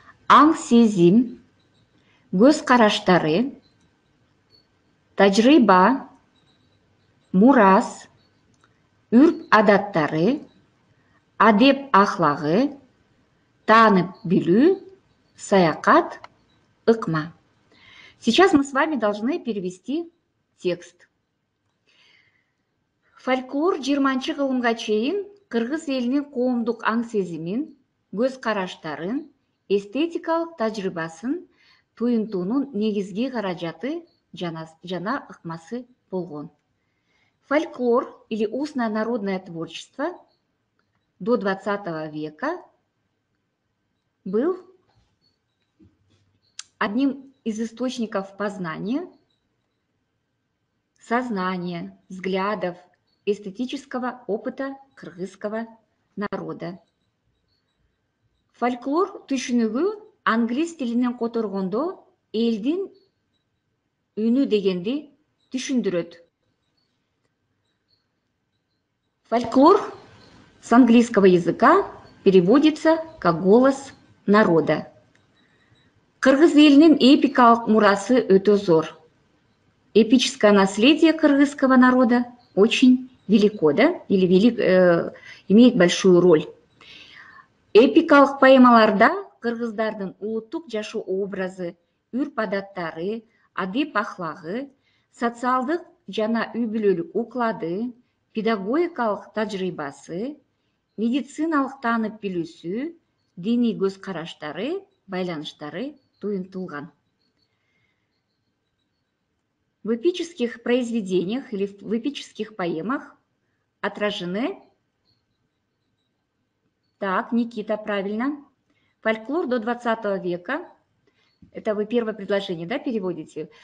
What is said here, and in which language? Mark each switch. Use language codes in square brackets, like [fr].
[ky] Аң-сезим, көз караштары, тажрыйба, мурас, үрп-адаттары, адеп-ахлагы, таанып билүү, саякат, ыкма. [ru] Сейчас мы с вами должны перевести текст. [ky] Фольклор жырманчы кылымга чейин кыргыз элинин коомдук аң-сезимин, көз караштарын, эстетикалык тажрыйбасын туюнтуунун негизги каражаты жана ыкмасы болгон. [ru] Фольклор или устное народное творчество до 20 века был одним из источников познания, сознания, взглядов, эстетического опыта кыргызского народа. [ky] Фольклор түшүнүгү англис тилинен которгондо элдин үнү дегенди түшүндүрөт. [ru] Фольклор с английского языка переводится как голос народа. [ky] Кыргыз элинин эпикалык мурасы өтө зор. [ru] Эпическое наследие кыргызского народа очень велико, да? Или имеет большую роль. [ky] Эпикалык поэмаларда кыргыздардын улуттук жашоо образы, үрп-адаттары, адеп-ахлагы, социалдык жана үй-бүлөлүк уклады, педагогикалык тажрыйбасы, медициналык таанып билүүсү, диний көз караштары, байланыштары туюнтулган. [ru] В эпических произведениях или в эпических поэмах отражены, так, Никита, правильно, фольклор до 20 века, это вы первое предложение, да, переводите?